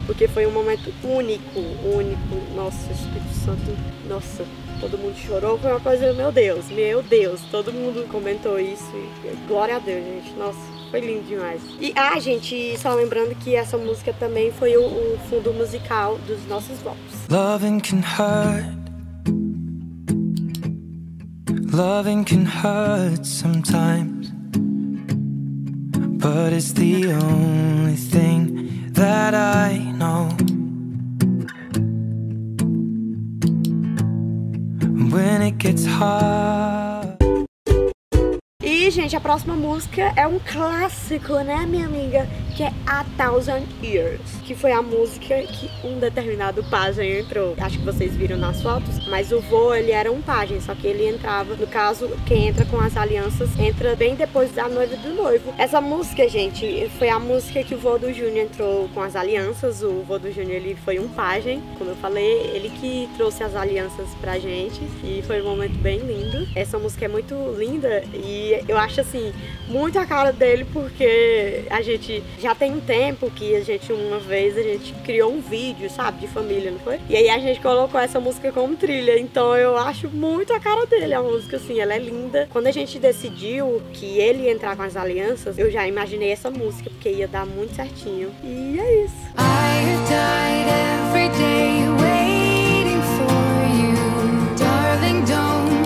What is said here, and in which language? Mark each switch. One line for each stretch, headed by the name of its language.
Portuguese: Porque foi um momento único, único. Nossa, Espírito Santo, nossa. Todo mundo chorou, foi uma coisa, meu Deus, todo mundo comentou isso e glória a Deus, gente, nossa, foi lindo demais. E, gente, só lembrando que essa música também foi o fundo musical dos nossos vlogs.
English: Loving can hurt. Loving can hurt sometimes. But it's the only thing that I know. When it gets hard. E, gente, a próxima música é um clássico, né, minha amiga?
Portuguese: Que é A Thousand Years, que foi a música que um determinado pajem entrou. Acho que vocês viram nas fotos, mas o vô, ele era um pajem, só que ele entrava, no caso, quem entra com as alianças, entra bem depois da noiva do noivo. Essa música, gente, foi a música que o vô do Júnior entrou com as alianças. O vô do Júnior, ele foi um pajem, como eu falei, ele que trouxe as alianças pra gente, e foi um momento bem lindo. Essa música é muito linda, e eu acho, assim, muito a cara dele, porque a gente... Já tem um tempo que a gente, uma vez, a gente criou um vídeo, sabe, de família, não foi? E aí a gente colocou essa música como trilha, então eu acho muito a cara dele a música, assim, ela é linda. Quando a gente decidiu que ele ia entrar com as alianças, eu já imaginei essa música, porque ia dar muito certinho. E é isso.
English: I died every day waiting for you, darling, don't.